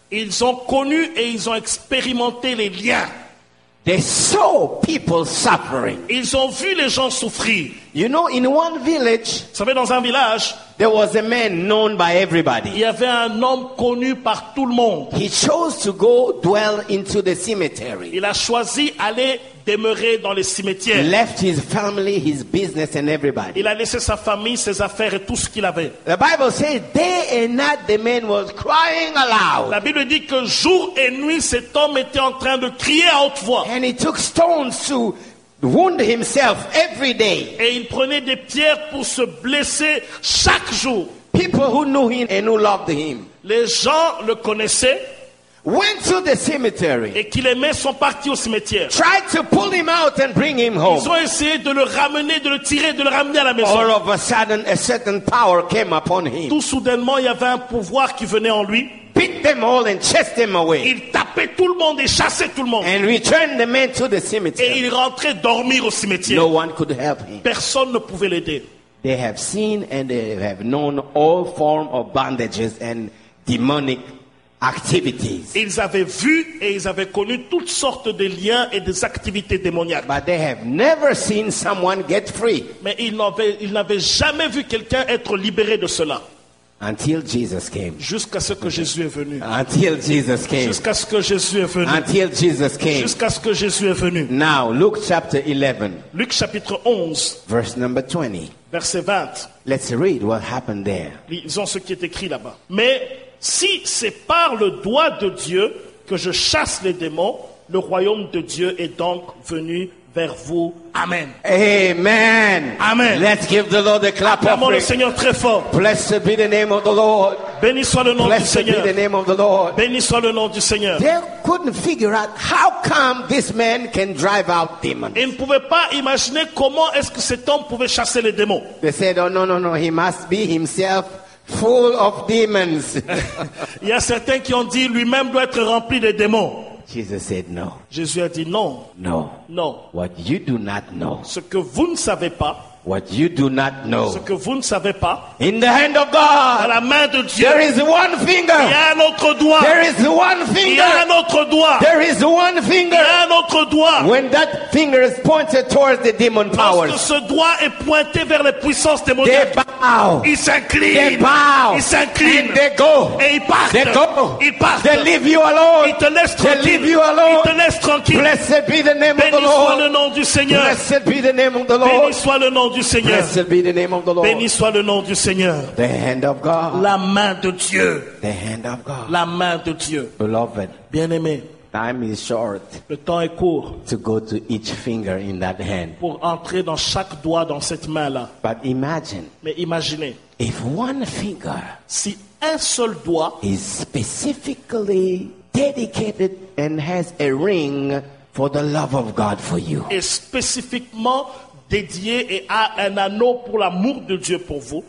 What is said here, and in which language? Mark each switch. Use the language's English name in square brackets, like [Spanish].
[French] Ils ont connu et ils ont expérimenté les liens. [English] They saw people suffering. [French] Ils ont vu les gens souffrir. [English] You know, in one village, [French] vous savez, dans un village, [English] there was a man known by everybody. [French] Il y avait un homme connu par tout le monde. [English] He chose to go dwell into the cemetery. [French] Il a choisi aller demeurer dans le cimetière. [English] Left his family, his business, and everybody. [French] Il a laissé sa famille, ses affaires et tout ce qu'il avait. [English] The Bible says, day and night, the man was crying aloud. [French] La Bible dit que jour et nuit, cet homme était en train de crier à haute voix. [English] And he took stones to wound himself every day. [French] Et il prenait des pierres pour se blesser chaque jour. [English] People who knew him and who loved him. [French] Les gens le connaissaient. [English] Went to the cemetery. [French] Et qu'il aimait, sont partis au cimetière. [English] Tried to pull him out and bring him home. [French] Ils ont essayé de le ramener, de le tirer, de le ramener à la maison. [English] All of a sudden, a certain power came upon him. [French] Tout soudainement, il y avait un pouvoir qui venait en lui. [English] Beat them all and chased them away. [French] Il tapait tout le monde et chassait tout le monde. [English] And returned the man to the cemetery. [French] Et il rentrait dormir au cimetière. [English] No one could help him. [French] Personne ne pouvait l'aider. [English] They have seen and they have known all form of bandages and demonic activities. [French] Ils avaient vu et ils avaient connu toutes sortes de liens et des activités démoniaques. [English] But they have never seen someone get free. [French] Mais ils n'avaient jamais vu quelqu'un être libéré de cela. [English] Until Jesus came. [French] Jusqu'à ce que Jésus est venu. [English] Until Jesus came. [French] Jusqu'à ce que Jésus est venu. [English] Until Jesus came. [French] Jusqu'à ce que Jésus est venu. [English] Now, Luke chapter 11. [French] Luc chapitre 11. [English] Verse number 20. [French] Verset 20. [English] Let's read what happened there. [French] Lisons ce qui est écrit là-bas. Mais si c'est par le doigt de Dieu que je chasse les démons, le royaume de Dieu est donc venu vers vous. Amen. Amen. Amen. [English] Let's give the Lord a clap of praise. [French] Acclamons le Seigneur très fort. [English] Blessed be the name of the Lord. [French] Béni soit le nom [English] Blessed [French] du Seigneur. [English] Be the name of the Lord. [French] Béni soit le nom du Seigneur. [English] They couldn't figure out how come this man can drive out demons. [French] Ils ne pouvaient pas imaginer comment est-ce que cet homme pouvait chasser les démons. [English] They said, oh no, he must be himself full of demons. [French] Il y a certains qui ont dit lui-même doit être rempli de démons. [English] Jesus said no. [French] Jésus a dit non. [English] No. No. What you do not know. [French] Ce que vous ne savez pas. [English] What you do not know. [French] Ce que vous ne savez pas. [English] In the hand of God. [French] À la main de Dieu. [English] There is one finger. [French] Il y a un autre doigt. [English] There is one finger. [French] Il y a un autre doigt. [English] There is one finger. [French] Il y a un autre doigt. [English] When that finger is pointed towards the demon powers. [French] Lorsque ce doigt est pointé vers les puissances démoniaques. [English] They bow. [French] Ils s'inclinent. [English] They bow. [French] Ils s'inclinent. [English] And they go. [French] Et ils partent. [English] They go. [French] Ils partent. [English] They leave you alone. [French] Ils te laissent tranquille. [English] They leave you alone. [French] Ils te laissent tranquille. [English] Blessed be the name [French] Béni [English] of the Lord. [French] Béni soit le nom du Seigneur. [English] Blessed be the name of the Lord. [French] Béni soit le nom du Seigneur. [English] Blessed be the name of the Lord. [French] Béni soit le nom du Seigneur. [English] The hand of God. [French] La main de Dieu. [English] The hand of God. [French] La main de Dieu. [English] Beloved. [French] Bien-aimé. [English] Time is short. [French] Le temps est court. [English] To go to each finger in that hand. [French] Pour entrer dans chaque doigt dans cette main-là. [English] But imagine. [French] Mais imaginez. [English] If one finger. [French] Si un seul doigt. [English] Is specifically dedicated and has a ring for the love of God for you. [French] Est spécifiquement dédié et a un anneau pour l'amour de Dieu pour vous.